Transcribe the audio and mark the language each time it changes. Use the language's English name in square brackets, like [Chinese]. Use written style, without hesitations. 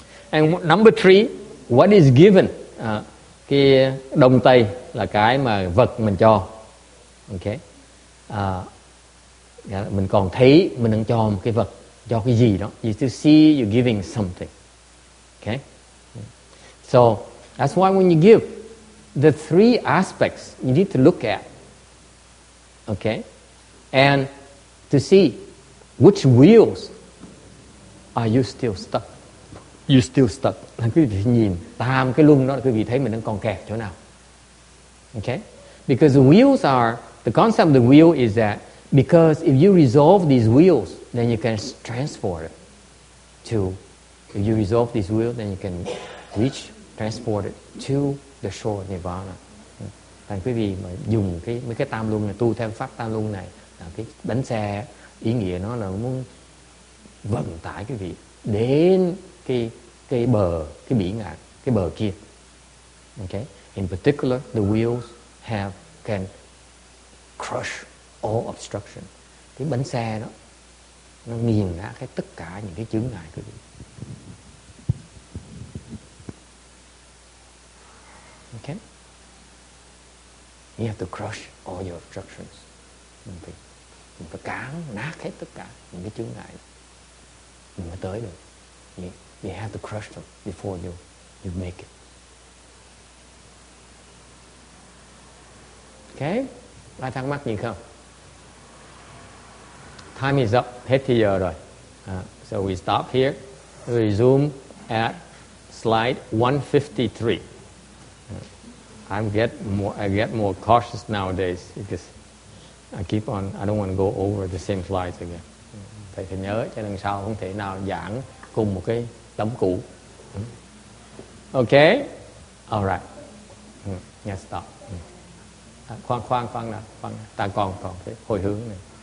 [English] And number three, what is given? [Vietnamese] Cái đồng tây là cái mà vật mình cho. Ok. Mình còn thấy mình đang cho một cái vật, cho cái gì đó. [English] You still see you're giving something. Ok. So that's why when you give, the three aspects you need to look at. Ok. And to see which wheels are you still stuck. You still stuck. [Vietnamese] Là quý vị nhìn tam cái luân đó, là quý vị thấy mình đang còn kẹt chỗ nào. [English] Ok. Because the wheels are, the concept of the wheel is that because if you resolve these wheels, then you can transport it to, if you resolve this wheel, then you can reach, transport it to the shore of Nirvana. [Vietnamese] Thành quý vị mà dùng cái mấy cái tam luân này, tu theo pháp tam luân này, là cái bánh xe, ý nghĩa nó là muốn vận tải quý vị đến cái bờ, cái biển ngạn, cái bờ kia. [English] Okay? In particular, the wheels have, can crush all obstruction. [Vietnamese] Cái bánh xe đó nó nghiền ra cái tất cả những cái chướng ngại quý vị. [English] Okay? You have to crush all your obstructions. [Vietnamese] Mình phải cán nát hết tất cả những cái chướng ngại mình mới tới được. [English] You have to crush them before you make it. [Vietnamese] Okay? Ai thắc mắc gì không? [English] Time is up. [Vietnamese] Hết giờ rồi. [English] So we stop here. We resume at slide 153. I get more cautious nowadays because I keep on, I don't want to go over the same slides again. [Vietnamese] Thầy phải nhớ cho lần sau không thể nào giảng cùng một cái tấm cũ. [English] Okay? All right. Yes, stop. [Vietnamese] Khoan, ta còn cái hồi hướng này.